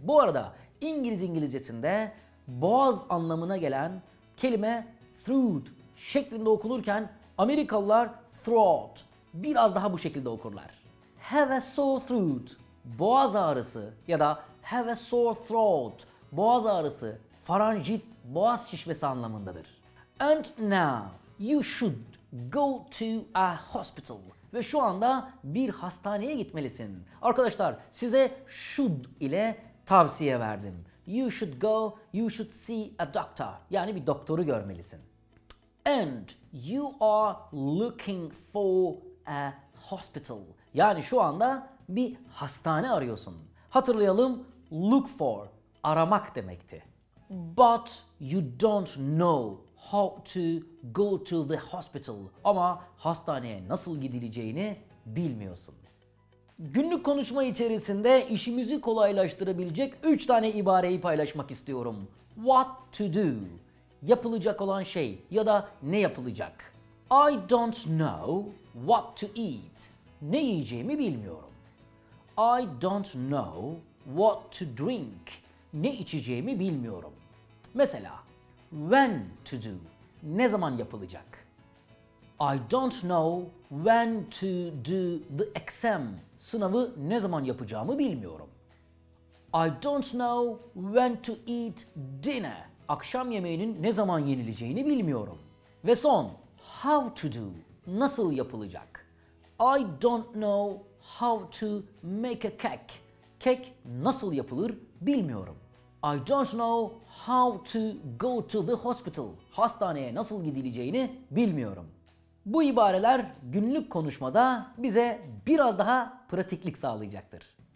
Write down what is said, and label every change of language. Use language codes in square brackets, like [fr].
[tr] Bu arada İngiliz İngilizcesinde boğaz anlamına gelen kelime throat şeklinde okunurken Amerikalılar throat biraz daha bu şekilde okurlar. [en] Have a sore throat. [tr] Boğaz ağrısı ya da [en] have a sore throat, [tr] boğaz ağrısı, faranjit, boğaz şişmesi anlamındadır. [en] And now you should go to a hospital. [tr] Ve şu anda bir hastaneye gitmelisin. Arkadaşlar size should ile tavsiye verdim. [en] You should go, you should see a doctor. [tr] Yani bir doktoru görmelisin. [en] And you are looking for a hospital. [tr] Yani şu anda bir hastane arıyorsun. Hatırlayalım, look for, aramak demekti. [en] But you don't know how to go to the hospital. [tr] Ama hastaneye nasıl gidileceğini bilmiyorsun. Günlük konuşma içerisinde işimizi kolaylaştırabilecek 3 tane ibareyi paylaşmak istiyorum. [en] What to do, [tr] yapılacak olan şey ya da ne yapılacak. [en] I don't know what to eat, [tr] ne yiyeceğimi bilmiyorum. [en] I don't know what to drink, [tr] ne içeceğimi bilmiyorum. Mesela, [en] when to do, [tr] ne zaman yapılacak? [en] I don't know when to do the exam. [tr] Sınavı ne zaman yapacağımı bilmiyorum. [en] I don't know when to eat dinner. [tr] Akşam yemeğinin ne zaman yenileceğini bilmiyorum. Ve son, [en] how to do, [tr] nasıl yapılacak? [en] I don't know how to make a cake. [tr] Kek nasıl yapılır bilmiyorum. [en] I don't know how to go to the hospital. [tr] Hastaneye nasıl gidileceğini bilmiyorum. Bu ibareler günlük konuşmada bize biraz daha pratiklik sağlayacaktır.